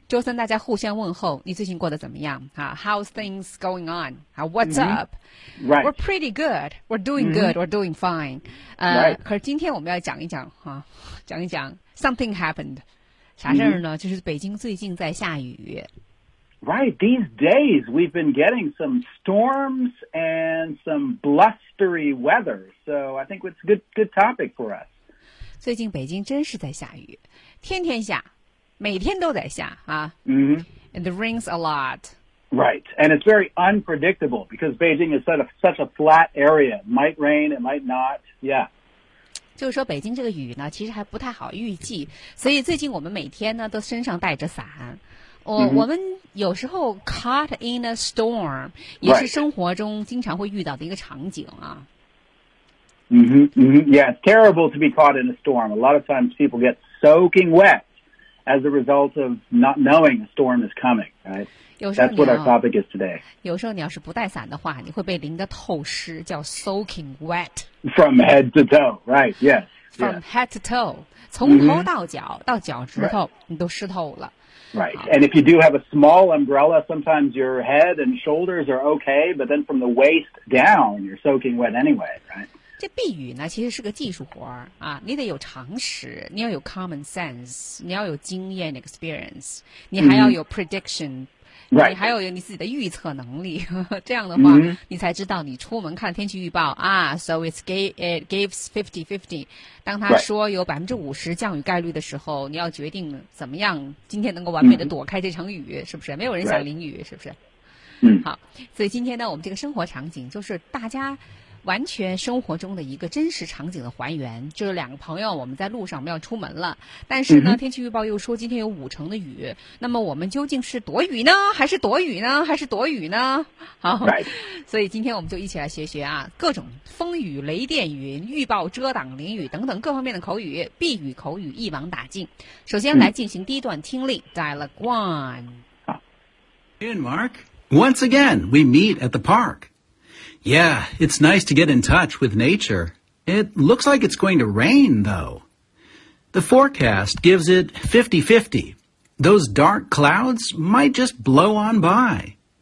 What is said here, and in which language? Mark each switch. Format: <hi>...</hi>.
<zh>周三大家互相问候，你最近过得怎么样、</zh> <en>How's things going on? What's up? Right. We're pretty good. We're doing good. We're doing fine. Right.</en> <zh>可是今天我们要讲一讲、讲一讲</zh> <en>something happened.</en> <zh>啥事呢、就是北京最近在下雨。</zh> <en>Right. These days we've been getting some storms and some blustery weather. So I think it's a good topic for us.</en> <zh>最近北京真是在下雨。天天下，每天都在下啊。</zh> <en>And it rains a lot. Right, and it's very unpredictable because Beijing is such a flat area. Might rain, it might not. Yeah.</en> <zh>就是说，北京这个雨呢，其实还不太好预计，所以最近我们每天呢都身上带着伞。我们有时候</zh> <en>caught in a storm</en> <zh>也是生活中经常会遇到的一个场景啊。</zh> <en>Yeah, it's terrible to be caught in a storm. A lot of times people get soaking wet as a result of not knowing a storm is coming, right? That's what our topic is today.</en> <zh>有时候你要是不带伞的话，你会被淋得透湿，叫</zh> <en>soaking wet. From head to toe, right, yes. From head to toe,</en> <zh>从头到脚到脚趾头你都湿透了。</zh> <en>Right, and if you do have a small umbrella, sometimes your head and shoulders are okay, but then from the waist down, you're soaking wet anyway, right?</en> <zh>这避雨呢其实是个技术活儿啊，你得有常识，你要有</zh> <en>common sense,</en> <zh>你要有经验 experience, 你还要有 prediction,、你还要有你自己的预测能力，这样的话、你才知道你出门看天气预报啊 ,</zh> <en>so it gives 50-50,</en> <zh>当他说有50%降雨概率的时候，你要决定怎么样今天能够完美的躲开这场雨、是不是，没有人想淋雨、是不是，好，所以今天呢我们这个生活场景就是大家完全生活中的一个真实场景的还原，就是两个朋友我们在路上，我们要出门了，但是呢天气预报又说今天有50%的雨，那么我们究竟是躲雨呢还是躲雨呢还是躲雨呢，好、所以今天我们就一起来学学啊，各种风雨雷电云预报遮挡淋雨等等各方面的口语，避雨口语一网打尽，首先来进行第一段听力 Dialogue One.</zh> <en>Hey Mark, once again we meet at the parkYeah, it's nice to get in touch with nature. It looks like it's going to rain, though. The forecast gives it 50-50. Those dark clouds might just blow on by.</en>